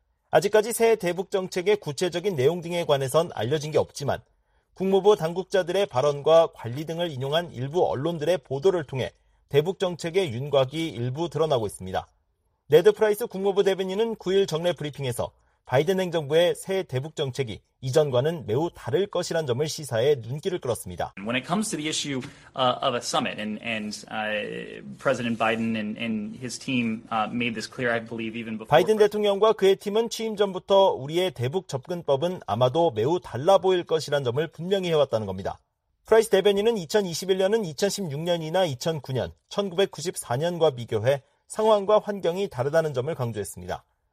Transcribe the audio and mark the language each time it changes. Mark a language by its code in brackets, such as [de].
[ko] 아직까지 새 대북 정책의 구체적인 내용 등에 관해선 알려진 게 없지만 국무부 당국자들의 발언과 관리 등을 인용한 일부 언론들의 보도를 통해 대북 정책의 윤곽이 일부 드러나고 있습니다. 네드 프라이스 국무부 대변인은 9일 정례 브리핑에서 바이든 행정부의 새 대북 정책이 이전과는 매우 다를 것이란 점을 시사해 눈길을 끌었습니다. [en] When it comes to the issue of a summit and President Biden and his team made this clear, I believe even before. [ko] 바이든 대통령과 그의 팀은 취임 전부터 우리의 대북 접근법은 아마도 매우 달라 보일 것이란 점을 분명히 해왔다는 겁니다. 프라이스 대변인은 2021년은 2016년이나 2009년, 1994년과 비교해 상황과 환경이 다르다는 점을 강조했습니다.